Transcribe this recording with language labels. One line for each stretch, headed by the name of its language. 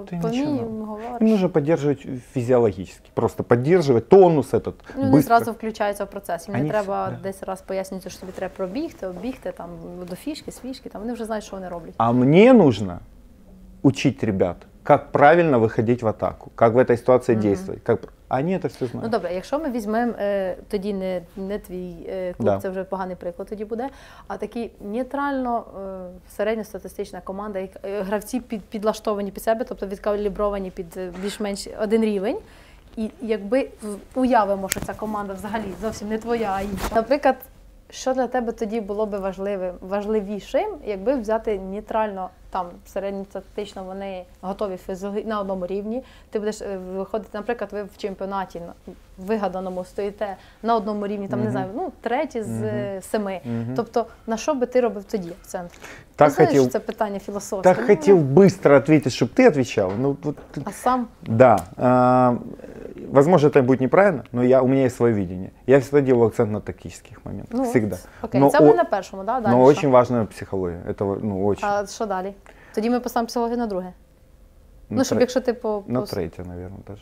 Russian: Ты ничего. Им нужно поддерживать физиологически, просто поддерживать тонус этот. Ну, они сразу включаются в процесс. Мне треба десь раз пояснить, что тебе треба пробігти, оббігти, там, до фішки, свішки, там, они уже знают, что они роблять. А мне нужно учить ребят, как правильно выходить в атаку, как в этой ситуации действовать. Как... Они это все знают.
Ukrainian: Ну, добре, якщо ми візьмемо тоді не твій клуб, да. Це вже поганий приклад тоді буде, а такі нейтрально середньостатистична команда, гравці підлаштовані під себе, тобто відкалібровані під більш-менш один рівень. І якби уявимо, що ця команда взагалі зовсім не твоя, а інша. Наприклад, що для тебе тоді було би важливішим, якби взяти нейтрально, там, середньостатистично вони готові на одному рівні, ти будеш виходити, наприклад, ви в чемпіонаті вигаданому стоїте на одному рівні, там, не знаю, ну, третій з 7. Тобто, на що би ти робив тоді акцент? Так, хотів, це питання філософське. Так, хотів швидко відповісти, щоб ти відповів. Ну,
Russian: вот, а сам? Да. Возможно, это будет неправильно, но у меня есть свое видение. Я всегда делаю акцент на тактических моментах. Ну, всегда. Окей, но это мы на первом, да? Дальше. Но очень важная психология. Это, ну, очень. А что дальше? Тогда мы поставим психологию на второе. Ну, чтобы, если ты На третье, наверное, даже.